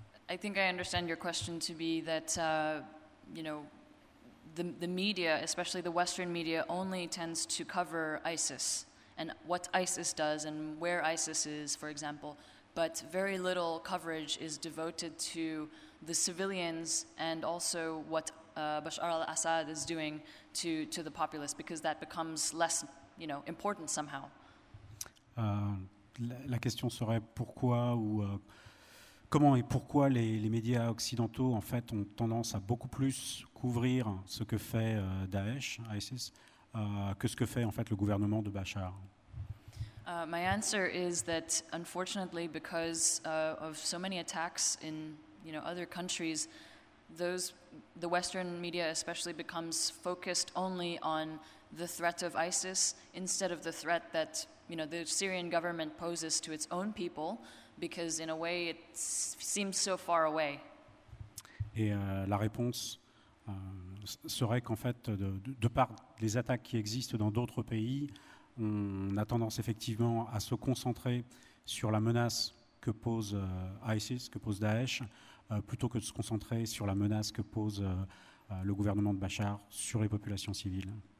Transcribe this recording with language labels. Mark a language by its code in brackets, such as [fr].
[en] I think I understand your question to be that, you know, the media, especially the Western media, only tends to cover ISIS and what ISIS does and where ISIS is, for example, but very little coverage is devoted to the civilians and also what Bashar al-Assad is doing to the populace, because that becomes less, you know, important somehow. [fr] La question serait pourquoi ou comment et pourquoi les médias occidentaux en fait ont tendance à beaucoup plus couvrir ce que fait Daesh, ISIS, que ce que fait en fait le gouvernement de Bachar. [en] My answer is that unfortunately, because of so many attacks in other countries, the Western media especially becomes focused only on the threat of ISIS instead of the threat that the Syrian government poses to its own people, because in a way it seems so far away. [fr] Et la réponse serait qu'en fait, de par les attaques qui existent dans d'autres pays, on a tendance effectivement à se concentrer sur la menace que pose ISIS, que pose Daesh, plutôt que de se concentrer sur la menace que pose le gouvernement de Bachar sur les populations civiles.